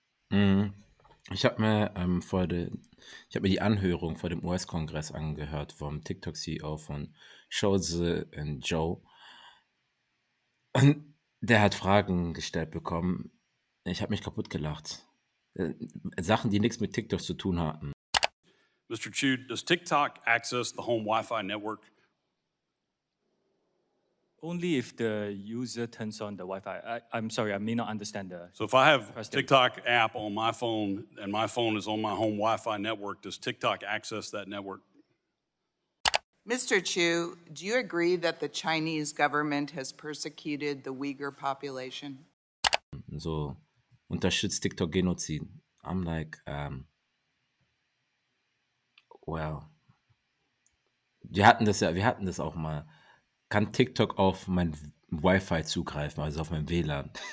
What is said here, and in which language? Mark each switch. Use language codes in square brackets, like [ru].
[de] Ich habe mir die Anhörung vor dem US-Kongress angehört vom TikTok-CEO von Shouzi und Zhou. Und der hat Fragen gestellt bekommen. Ich habe mich kaputt gelacht. Sachen, die nichts mit TikTok zu tun hatten. [en] Mr. Chu, does TikTok access the home Wi-Fi network? Only if the user turns on the Wi-Fi. I'm sorry, I may not understand the... So if I have TikTok app on my phone and my phone is on my home Wi-Fi network, does TikTok access that network? Mr. Chu, do you agree that the Chinese government has persecuted the Uyghur population? [de] So, unterstützt TikTok Genozid? [en] I'm like, well, [de] wir hatten das auch mal. Kann TikTok auf mein Wi-Fi zugreifen, also auf mein WLAN?